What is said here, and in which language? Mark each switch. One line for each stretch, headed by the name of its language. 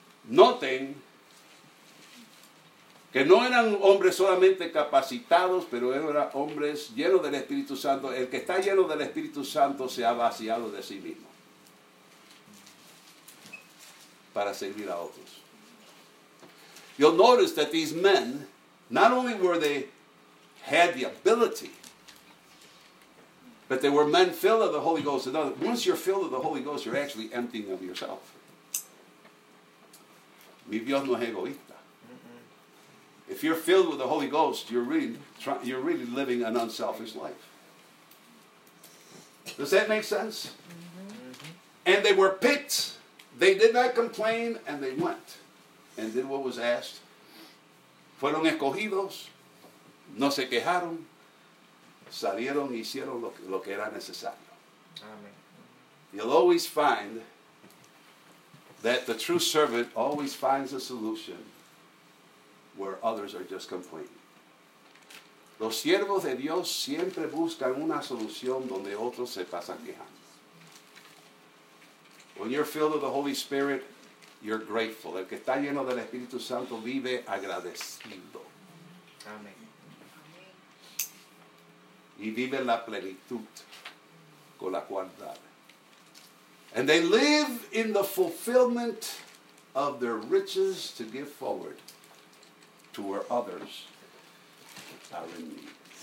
Spanish: Noten que no eran hombres solamente capacitados, pero eran hombres llenos del Espíritu Santo. El que está lleno del Espíritu Santo se ha vaciado de sí mismo para servir a otros.
English: You'll notice that these men, not only were they had the ability, but they were men filled of the Holy Ghost. In other words, once you're filled of the Holy Ghost, you're actually emptying of yourself.
Spanish: Mi Dios no es egoísta.
English: If you're filled with the Holy Ghost, you're really living an unselfish life. Does that make sense? Mm-hmm. And they were picked. They did not complain, and they went and did what was asked.
Spanish: Fueron escogidos, no se quejaron, salieron y hicieron lo que era necesario.
English: Amen. You'll always find that the true servant always finds a solution where others are just complaining.
Spanish: Los siervos de Dios siempre buscan una solución donde otros se pasan quejando.
English: When you're filled with the Holy Spirit, you're grateful.
Spanish: El que está lleno del Espíritu Santo vive agradecido. Amén. Y vive la plenitud con la cual da.
English: And they live in the fulfillment of their riches to give forward to where others are in need.